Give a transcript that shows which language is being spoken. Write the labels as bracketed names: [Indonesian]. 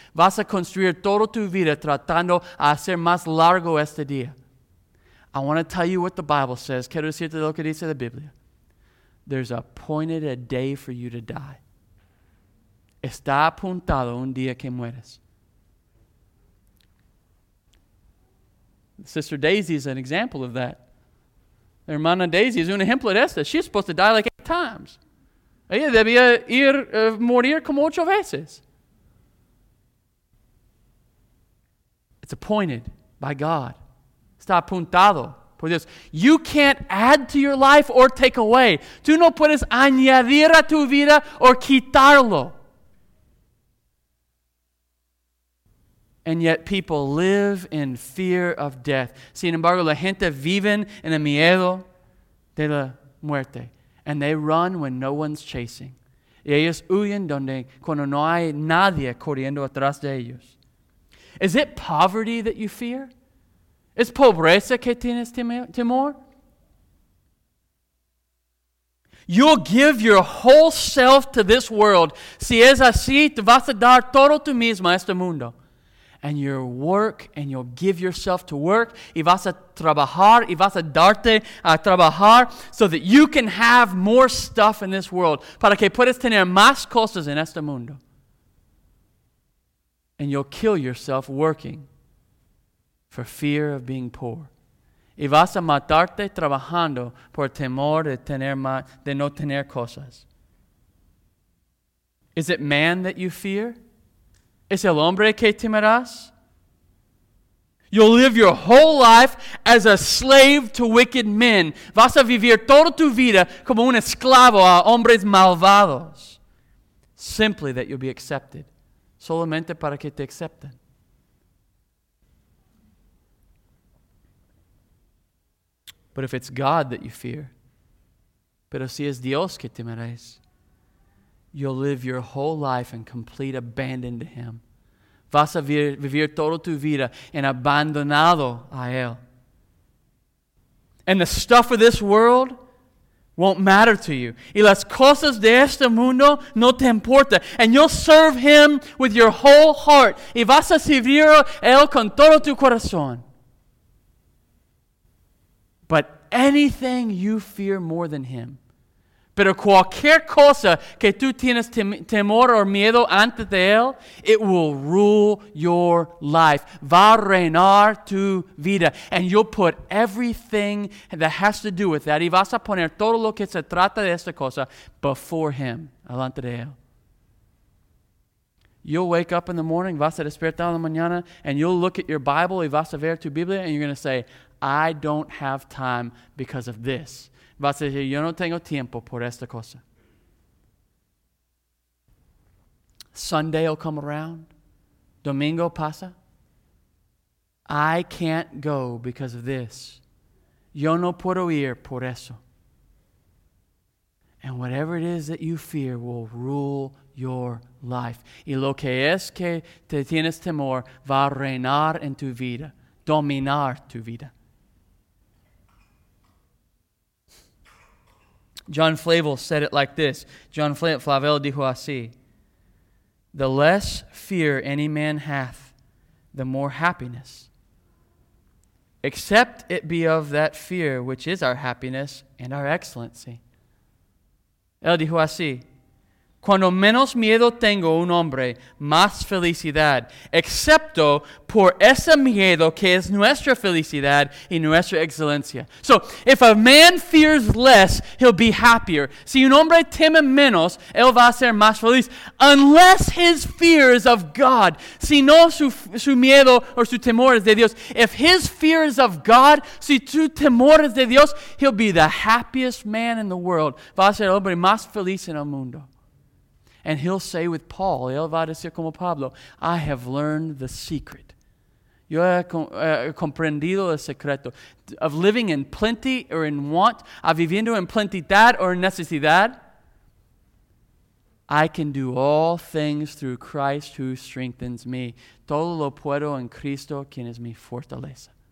[Spanish] Vas a construir toda tu vida tratando a hacer más largo este día. [English] I want to tell you what the Bible says. [Spanish] Quiero decirte lo que dice la Biblia. [English] There's appointed a day for you to die. [Spanish] Está apuntado un día que mueres. [English] Sister Daisy is an example of that. [Spanish] Hermana Daisy es un ejemplo de esta. [English] She's supposed to die like 8 times. [Spanish] Ella debía ir morir como 8 veces. [English] It's appointed by God. [Spanish] Está apuntado por Dios. [English] You can't add to your life or take away. [Spanish] Tú no puedes añadir a tu vida o quitarlo. [English] And yet people live in fear of death. [Spanish] Sin embargo, la gente vive en el miedo de la muerte. [English] And they run when no one's chasing. [Spanish] Y ellos huyen donde cuando no hay nadie corriendo atrás de ellos. [English] Is it poverty that you fear? [Spanish] ¿Es pobreza que tienes temor? [English] You'll give your whole self to this world. [Spanish] Si es así, te vas a dar todo tú mismo a este mundo. [English] And your work, and you'll give yourself to work, [Spanish] y vas a trabajar, [English] y vas a darte a trabajar, so that you can have more stuff in this world, [Spanish] para que puedas tener más cosas en este mundo. [English] And you'll kill yourself working for fear of being poor. [Spanish] Y vas a matarte trabajando por temor de tener de no tener cosas. [English] Is it man that you fear? [Spanish] ¿Es el hombre que temerás? [English] You'll live your whole life as a slave to wicked men. [Spanish] Vas a vivir toda tu vida como un esclavo a hombres malvados. [English] Simply that you'll be accepted. [Spanish] Solamente para que te acepten. [English] But if it's God that you fear, [Spanish] pero si es Dios que temeres, [English] you'll live your whole life in complete abandon to Him. [Spanish] Vas a vivir toda tu vida en abandonado a Él. [English] And the stuff of this world won't matter to you. [Spanish] Y las cosas de este mundo no te importa. [English] And you'll serve Him with your whole heart. [Spanish] Y vas a servir a Él con todo tu corazón. [English] But anything you fear more than Him, [Spanish] pero cualquier cosa que tú tienes temor o miedo ante de Él, [English] it will rule your life. [Spanish] Va a reinar tu vida. [English] And you'll put everything that has to do with that, [Spanish] y vas a poner todo lo que se trata de esta cosa, [English] before Him, [Spanish] alante de Él. [English] You'll wake up in the morning, [Spanish] vas a despertar en la mañana, [English] and you'll look at your Bible, [Spanish] y vas a ver tu Biblia, [English] and you're going to say, I don't have time because of this. [Spanish] Vas a decir, yo no tengo tiempo por esta cosa. [English] Sunday will come around. [Spanish] Domingo pasa. [English] I can't go because of this. [Spanish] Yo no puedo ir por eso. [English] And whatever it is that you fear will rule your life. [Spanish] Y lo que es que te tienes temor va a reinar en tu vida. Dominar tu vida. [English] John Flavel said it like this. John Flavel [Spanish] dijo así. [English] The less fear any man hath, the more happiness. Except it be of that fear which is our happiness and our excellency. [Spanish] Él dijo así. Cuando menos miedo tengo un hombre, más felicidad. Excepto por ese miedo que es nuestra felicidad y nuestra excelencia. [English] So, if a man fears less, he'll be happier. [Spanish] Si un hombre teme menos, él va a ser más feliz. [English] Unless his fear is of God. [Spanish] Si no su miedo o su temor es de Dios. [English] If his fear is of God, [Spanish] si tu temor es de Dios, [English] he'll be the happiest man in the world. [Spanish] Va a ser el hombre más feliz en el mundo. [English] And he'll say with Paul, [Spanish] él va a decir como Pablo, [English] I have learned the secret. [Spanish] Yo he comprendido el secreto [English] of living in plenty or in want, [Spanish] a viviendo en plentitad or necesidad. [English] I can do all things through Christ who strengthens me. [Spanish] Todo lo puedo en Cristo, quien es mi fortaleza.